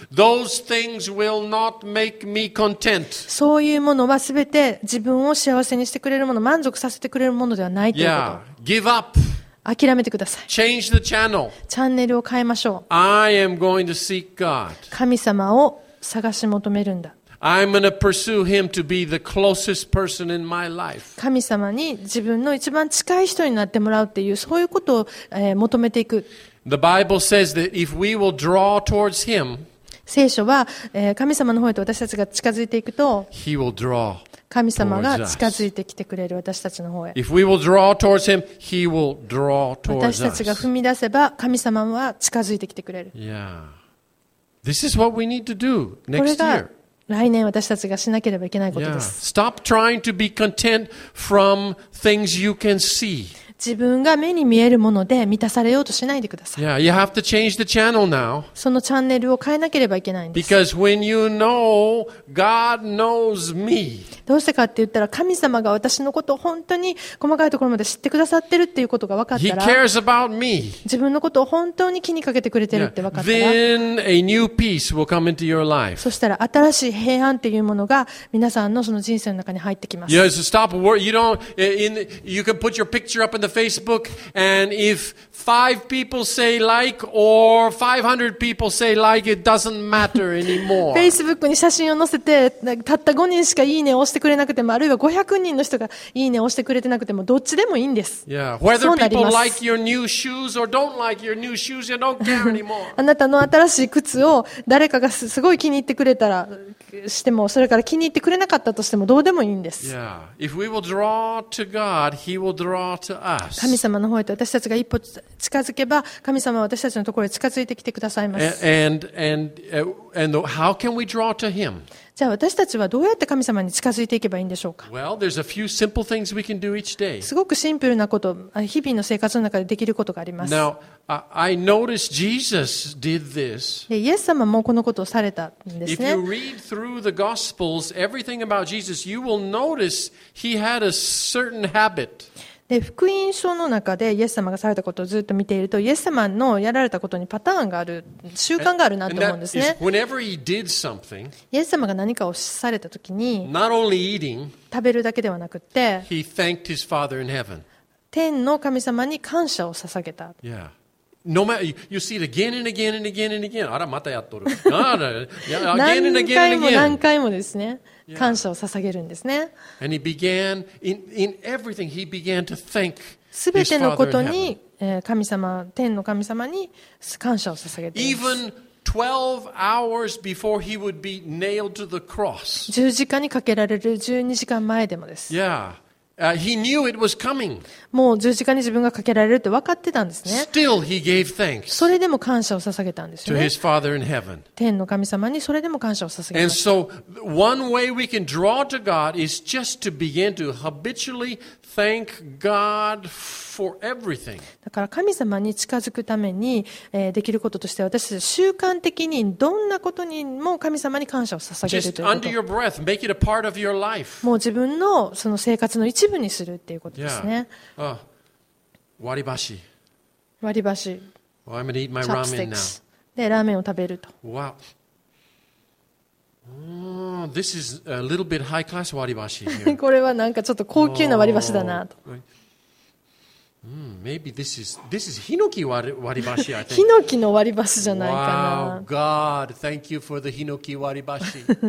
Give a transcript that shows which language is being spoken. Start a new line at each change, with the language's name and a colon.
English: Those things will not make me content.
Japanese: そういうものはすべて自分を幸せにしてくれるもの、満足させてくれるものではないということ。
English: Yeah. Give up.
Japanese: 諦めてください。
English: Change the channel.
Japanese: チャンネルを変えましょう。
English: I am going to seek God.
Japanese: 神様を探し求めるんだ。
English: I'm gonna pursue him to be the closest person in my life.
Japanese: 神様に自分の一番近い人になってもらうっていう、そういうことを、求めていく。
English: The Bible says that if we will draw towards him,
Japanese: 聖書は、神様の方へと私たちが近づいていくと、
English: he will draw
Japanese: 神様が近づいてきてくれる私たちの方へ。
English: If we will draw towards him, he will draw towards us.
Japanese: 私たちが踏み出せば、神様は近づいてきてくれる。
English: Yeah. This is what we need to do next year.
Japanese: 来年私たちがしなければいけないことです。
English: Stop trying to be content from things you can see.
Japanese: 自分が目に見えるもので満たされようとしないでください。
English: Yeah, you have to change the channel now.
Japanese: そのチャンネルを変えなければいけないんです。
English: Because when you know God knows me.
Japanese: どうしてかって言ったら、神様が私のことを本当に細かいところまで知ってくださってるっていうことが分かったら、
English: He cares about me.
Japanese: 自分のことを本当に気にかけてくれてるって分かったら、
English: Then a new peace will come into your life.
Japanese: そしたら新しい平安っていうものが皆さんのその人生の中に入ってきます。
English: Yes, stop. You don't. In you can put your picture up in the Facebook, and if five people say like or 500 people say like, it doesn't matter anymore.
Japanese: Facebook に写真を載せて、たった5人しかいいねを押してくれなくても、あるいは500人の人がいいねを押してくれてなくても、どっちでもいいんです。
English: Yeah. Whether people like your new shoes or don't like your new shoes, you don't care anymore.
Japanese: あなたの新しい靴を誰かがすごい気に入ってくれたらしても、それから気に入ってくれなかったとしても、どうでもいいんです。
English: Yeah. If we will draw to God, He will draw to us. us.
Japanese: 神様の方へと私たちが一歩近づけば、神様は私たちのところへ近づいてきてくださいます。
English: And how can we draw to him?
Japanese: じゃあ私たちはどうやって神様に近づいていけばいいんでしょうか。
English: Well, there's a few simple things we can do each day.
Japanese: すごくシンプルなこと、日々の生活の中でできることがあります。
English: Now, I noticed Jesus did this.
Japanese: イエス様もこのことをされたんですね。
English: If you read through the Gospels, everything about Jesus, you will notice he had a certain habit.
Japanese: で福音書の中でイエス様がされたことをずっと見ていると、イエス様のやられたことにパターンがある、習慣があるなと思うんですね。
English: whenever he did something,
Japanese: イエス様が何かをされたときに、
English: not only eating,
Japanese: 食べるだけではなくて、
English: he thanked his father in heaven.
Japanese: 天の神様に感謝を捧げた。
English: Yeah. No matter, you see it again and again and again and again.
Japanese: あら、またやっとる。何回も何回もですね。感謝を捧げるんですね。
English: And he began in everything. He began to thank his father in heaven.
Japanese: 全てのことに神様、天の神様に感謝を捧げています。
English: Even 12 hours before he would be nailed to the cross.
Japanese: 十字架にかけられる12時間前でもです。
English: Yeah. He knew it was coming.
Japanese: もう十字架に自分がかけられるって分かってたんですね。
English: Still, he gave thanks.
Japanese: それでも感謝を捧げたんですね。
English: To his Father in heaven.
Japanese: 天の神様にそれでも感謝を捧げた。
English: And so, one way we can draw to God is just to begin to habitually thank God for everything.
Japanese: だから神様に近づくために、できることとしては、私たちは習慣的にどんなことにも神様に感謝を捧げるということ。
English: Just under your breath, make it a part of your life.
Japanese: もう自分のその生活の一部にするっていうことですね。
English: Yeah. 割り箸。
Japanese: 割り箸。
English: Well, I'm gonna eat my ramen now.
Japanese: でラーメンを食べると。
English: Wow. This is a little bit high class 割り箸 here.
Japanese: これはなんかちょっと高級な割り箸だなと。
English: Oh. Mm, maybe this is ヒノキ割り箸 I think.
Japanese: ヒノキの割り箸じゃないかな。
English: Wow, God, thank you for the ヒノキ割り箸。